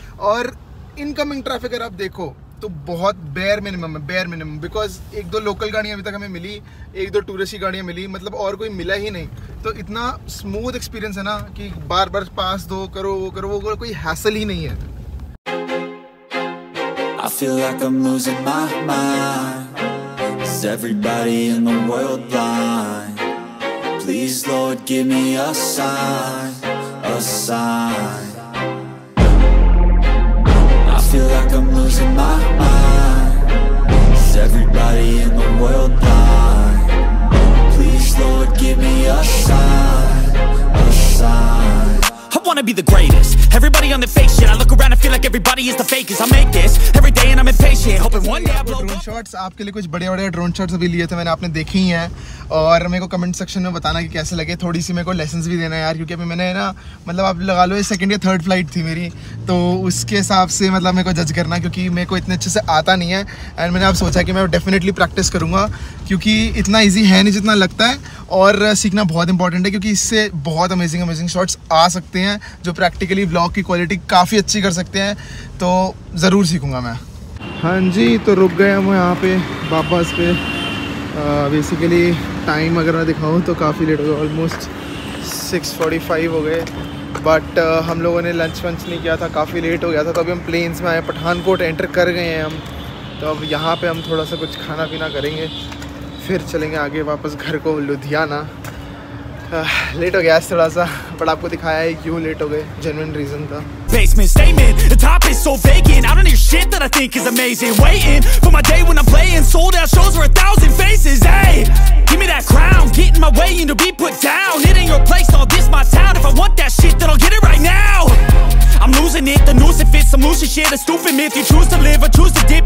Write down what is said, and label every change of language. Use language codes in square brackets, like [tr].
[hi] और incoming traffic अगर आप देखो तो बहुत बेयर मिनिमम बिकॉज एक दो लोकल गाड़ियाँ अभी तक हमें मिली, एक दो टूरिस्ट गाड़ियाँ मिली, मतलब और कोई मिला ही नहीं। तो इतना स्मूथ एक्सपीरियंस है ना कि बार बार पास दो करो वो करो वो करो, कोई हैसल ही नहीं है। [en] I feel like I'm losing my mind. Is everybody in the world blind? Please Lord give me a sign. A sign. I feel like I'm losing my mind. Is everybody in the world blind? Please Lord give me a sign. A sign. I wanna be the greatest. Everybody on the fake shit. I look around and feel like everybody is the fakest. I make this every day and I'm impatient. Hoping one day I blow up. Drone shots. [hi] आपके लिए कुछ बड़े बड़े drone shots अभी लिए थे मैंने, आपने देखे ही हैं। और मेरे को कमेंट सेक्शन में बताना कि कैसे लगे, थोड़ी सी मेरे को लेसन्स भी देना यार, क्योंकि अभी मैंने ना मतलब आप लगा लो ये सेकंड या थर्ड फ्लाइट थी मेरी, तो उसके हिसाब से मतलब मेरे को जज करना क्योंकि मेरे को इतने अच्छे से आता नहीं है। एंड मैंने अब सोचा कि मैं डेफिनेटली प्रैक्टिस करूँगा क्योंकि इतना ईजी है नहीं जितना लगता है, और सीखना बहुत इंपॉर्टेंट है क्योंकि इससे बहुत अमेजिंग शॉट्स आ सकते हैं जो प्रैक्टिकली व्लॉग की क्वालिटी काफ़ी अच्छी कर सकते हैं, तो ज़रूर सीखूँगा मैं। हाँ जी, तो रुक गए हम यहाँ पे वापस पे, बेसिकली टाइम अगर मैं दिखाऊँ तो काफ़ी लेट हो गया, ऑलमोस्ट 6:45 हो गए, बट हम लोगों ने लंच वंच नहीं किया था, काफ़ी लेट हो गया था। तो अभी हम प्लेन्स में आए, पठानकोट एंटर कर गए हैं हम, तो अब यहाँ पे हम थोड़ा सा कुछ खाना पीना करेंगे फिर चलेंगे आगे वापस घर को लुधियाना। लेट हो गया थोड़ा सा, बट आपको दिखाया है क्यों लेट हो गए, जेन्युइन रीज़न था। [en] Basement statement, the top is so vacant. I don't hear shit that I think is amazing. Waiting for my day when I'm playing sold out shows for 1,000 faces. Hey, give me that crown. Get in my way and you'll be put down. It ain't your place, no, this my town. If I want that shit, then I'll get it right now. I'm losing it, the noose it fits. I'm losing shit, a stupid myth. You choose to live or choose to dip.